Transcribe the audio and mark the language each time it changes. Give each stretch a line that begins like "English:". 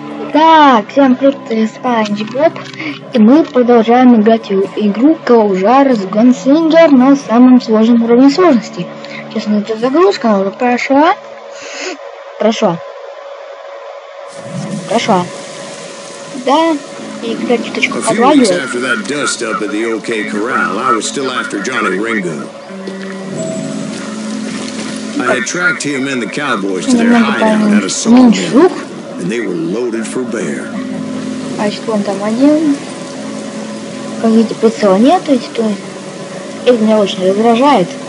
Russian: Итак, всем привет, я Спанч Боб, и мы продолжаем играть в игру Каужар с Гонслингер на самом сложном уровне сложности. Сейчас начнется загрузка, она уже прошла. Прошла. Да, и игра чуточку подваливает.
English: I had tracked him and the cowboys to their hideout at a sawmill, and they were loaded for bear.
Russian: А если он там один? Как видите, прицела нет, ведь то это меня очень раздражает.